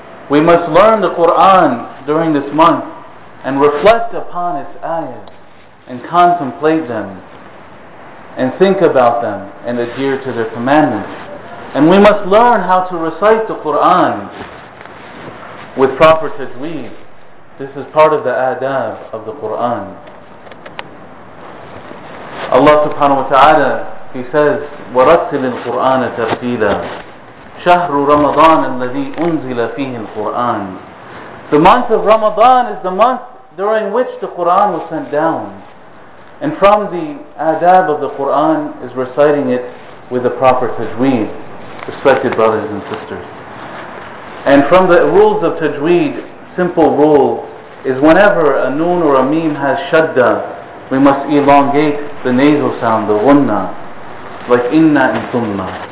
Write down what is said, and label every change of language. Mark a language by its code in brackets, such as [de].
[en] We must learn the Quran during this month and reflect upon its ayahs and contemplate them and think about them and adhere to their commandments. And we must learn how to recite the Quran with proper tajweed. This is part of the adab of the Quran. Allah subhanahu wa ta'ala, he says, [ar] وَرَتِّلِ الْقُرْآنَ تَرْتِيلًا شَهْرُ رَمَضَانَ الَّذِي أُنزِلَ فِيهِ الْقُرْآنِ. [en] The month of Ramadan is the month during which the Quran was sent down. And from the adab of the Quran is reciting it with the proper tajweed, respected brothers and sisters. And from the rules of tajweed, simple rule, is whenever a noon or a meme has shadda, we must elongate the nasal sound, the ghunna, like inna and thumma.